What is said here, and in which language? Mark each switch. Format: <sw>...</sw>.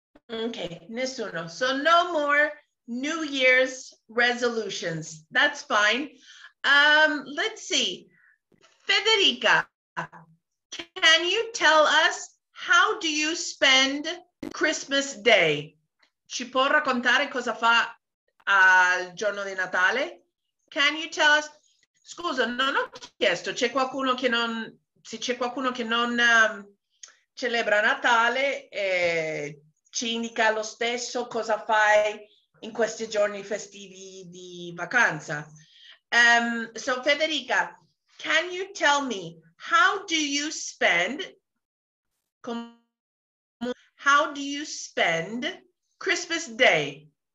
<en>Okay,</en> <it>nessuno.</it> <en>So no more New Year's resolutions. That's fine. Let's see. Federica, can you tell us how do you spend Christmas Day?</en> <it>Ci può raccontare cosa fa al giorno di Natale?</it> <en>Can you tell us?</en> <it>Scusa, non ho chiesto. C'è qualcuno che non... Se c'è qualcuno che non celebra Natale, ci indica lo stesso cosa fai in questi giorni festivi di vacanza.</it> <en>So Federica, can you tell me how do you spend Christmas Day?</en>